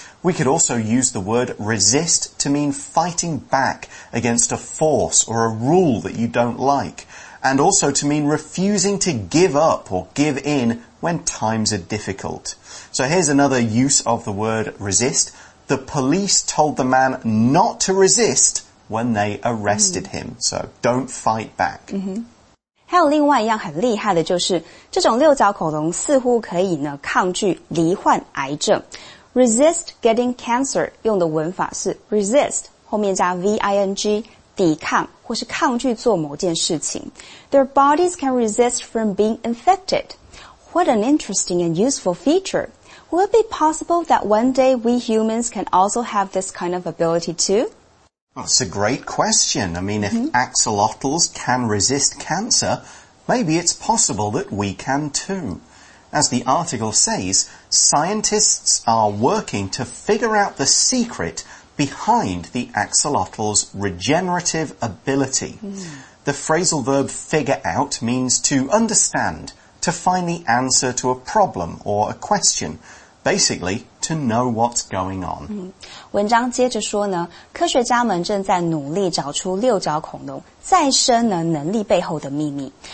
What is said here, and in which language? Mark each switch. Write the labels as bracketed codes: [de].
[en] We could also use the word resist to mean fighting back against a force or a rule that you don't like, and also to mean refusing to give up or give in when times are difficult. So here's another use of the word resist. The police told the man not to resist when they arrested him. So don't fight back. Mm-hmm. [zh] 还有另外一样很厉害的就是这种六角恐龙似乎可以呢抗拒罹患癌症。 [en] Resist getting cancer [zh] 用的文法是 resist, 后面加 V-I-N-G, 抵抗或是抗拒做某件事情。 [en] Their bodies can resist from being infected. What an interesting and useful feature. Will it be possible that one day we humans can also have this kind of ability too? Well, that's a great question. I mean, if axolotls can resist cancer, maybe it's possible that we can too. As the article says, scientists are working to figure out the secret behind the axolotl's regenerative ability. The phrasal verb figure out means to understand, to find the answer to a problem or a question. Basically, to know what's going on. [zh] 文章接着说呢，科学家们正在努力找出六角恐龙再生呢能力背后的秘密。